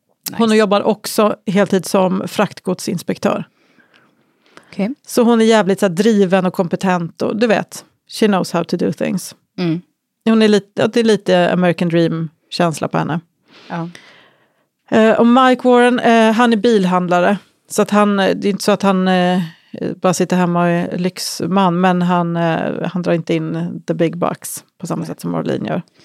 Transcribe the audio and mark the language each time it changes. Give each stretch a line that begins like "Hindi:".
Swedish: Nice. Hon jobbar också heltid som fraktgodsinspektör. Okej.
English: Okay.
Swedish: Så hon är jävligt så här, driven och kompetent. Och du vet,
English: she knows how to do things. Mm.
Swedish: Hon är lite American Dream-känsla på henne. Ja. Och Mike Warren, han är bilhandlare. Så att han, det är inte så att han bara sitter hemma och är lyxman. Men han drar inte in
English: the big bucks
Swedish: på samma sätt som Marlene gör.